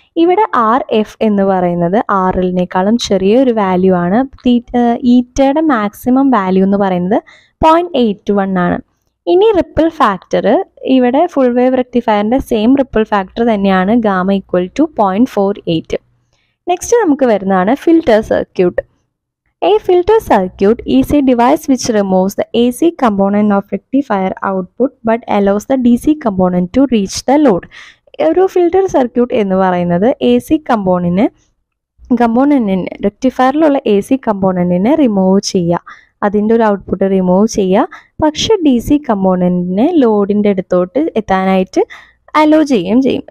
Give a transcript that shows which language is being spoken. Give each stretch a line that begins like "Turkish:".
Malayalam: ഇവിടെ R F എന്ന് പറയുന്നത് ആർ എല്ലിനേക്കാളും ചെറിയൊരു വാല്യൂ ആണ്. ഈറ്റയുടെ മാക്സിമം വാല്യൂ എന്ന് പറയുന്നത് 0.81 ആണ്. ഇനി റിപ്പിൾ ഫാക്ടർ, ഇവിടെ full wave റെക്ടിഫയറിൻ്റെ same ripple factor തന്നെയാണ്, ഗാമ ഈക്വൽ ടു 0.48. നെക്സ്റ്റ് നമുക്ക് വരുന്നതാണ് filter circuit.
English: A filter circuit is a device which removes the AC component of rectifier output but allows the DC component to reach the load.
Malayalam: ഒരു filter circuit എന്ന് പറയുന്നത് A C കമ്പോണന്റിന് റെക്ടിഫയറിലുള്ള A C കമ്പോണന്റിനെ remove ചെയ്യുക, അതിൻ്റെ ഒരു output remove ചെയ്യുക, പക്ഷേ D C കമ്പോണന്റിനെ ലോഡിൻ്റെ അടുത്തോട്ട് എത്താനായിട്ട് അലോ ചെയ്യുകയും ചെയ്യും.